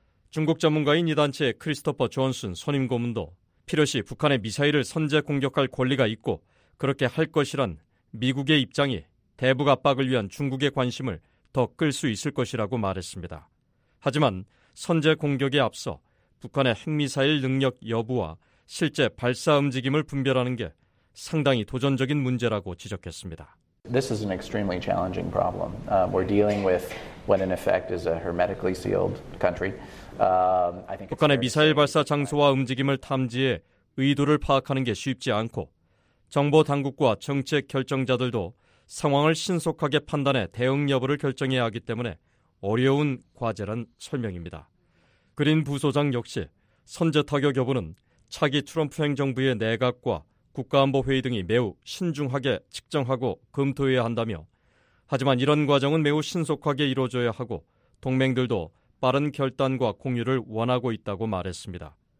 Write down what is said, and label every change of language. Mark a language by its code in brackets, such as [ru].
[ko] 중국 전문가인 이 단체의 크리스토퍼 존슨 선임 고문도 필요시 북한의 미사일을 선제 공격할 권리가 있고 그렇게 할 것이란 미국의 입장이 대북 압박을 위한 중국의 관심을 더 끌 수 있을 것이라고 말했습니다. 하지만 선제 공격에 앞서 북한의 핵미사일 능력 여부와 실제 발사 움직임을 분별하는 게 상당히 도전적인 문제라고 지적했습니다. [en] This is an extremely challenging problem. We're dealing with what in effect is a hermetically sealed country. [ko] 북한의 미사일 발사 장소와 움직임을 탐지해 의도를 파악하는 게 쉽지 않고 정보 당국과 정책 결정자들도 상황을 신속하게 판단해 대응 여부를 결정해야 하기 때문에 어려운 과제란 설명입니다. 그린 부소장 역시 선제 타격 여부는 차기 트럼프 행정부의 내각과 국가안보회의 등이 매우 신중하게 측정하고 검토해야 한다며 하지만 이런 과정은 매우 신속하게 이루어져야 하고 동맹들도 빠른 결단과 공유를 원하고 있다고 말했습니다.